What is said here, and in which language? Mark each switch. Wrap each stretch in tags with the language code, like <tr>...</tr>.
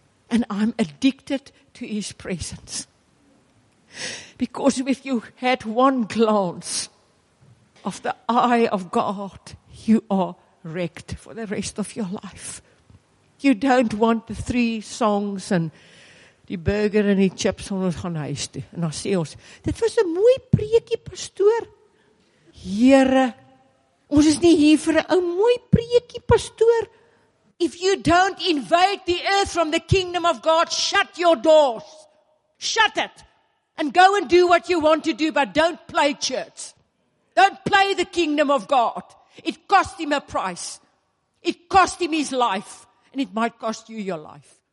<en>And I'm addicted to His presence. Because if you had one glance of the eye of God, you are wrecked for the rest of your life. You don't want the three songs and the burger and the chips on</en> <af>ons gaan huis toe. En dan sê ons, dit was 'n mooi preekie, pastoor. Here, ons is nie hier vir 'n mooi preekie, pastoor.</af> <en>If you don't invade the earth from the kingdom of God, shut your doors. Shut it. And go and do what you want to do, but don't play church. Don't play the kingdom of God. It cost him a price. It cost him his life. And it might cost you your life.</en>